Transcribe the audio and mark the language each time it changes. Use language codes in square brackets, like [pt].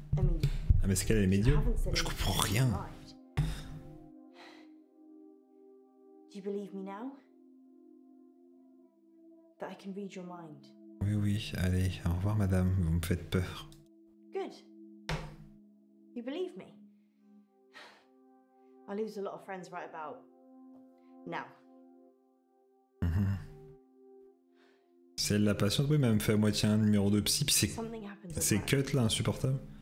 [fr] Ah mais c'est quel les médiums? Je comprends rien. [en] Do you believe me now? That I can read your mind? [fr] Oui, oui, allez, au revoir, madame, vous me faites peur. [en] Good. You believe me? I lose a lot of friends right about now. Mm-hmm. [fr] Celle de la patiente, oui, même fait à moitié un numéro de psy, puis c'est cut là, insupportable.